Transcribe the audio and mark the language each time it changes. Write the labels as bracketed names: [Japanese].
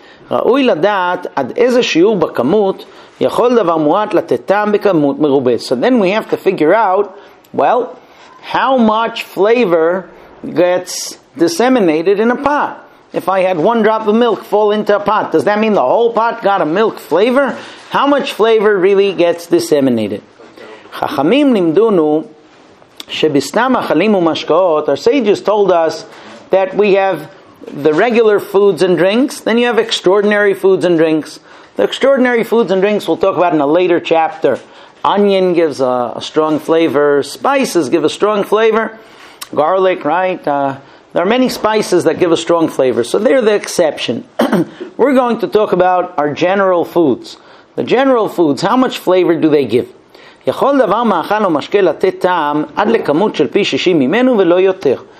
[Hebrew] ראוי לדעת עד איזה שיעור בכמות יכול דבר מועט לתתם בכמות מרובה. [English] So then we have to figure out, well, how much flavor gets disseminated in a pot. If I had one drop of milk fall into a pot, does that mean the whole pot got a milk flavor? How much flavor really gets disseminated? [Hebrew] חכמים לימדונו שבסתם אכלים ומשקאות, [English] our sages told us that we have the regular foods and drinks, then you have extraordinary foods and drinks. The extraordinary foods and drinks we'll talk about in a later chapter. Onion gives a strong flavor. Spices give a strong flavor. Garlic, right? There are many spices that give a strong flavor. So they're the exception. We're going to talk about our general foods. The general foods, how much flavor do they give? [Hebrew] יכול דבר מאכל או משקה לתת טעם עד לכמות של פי 60 ממנו ולא יותר.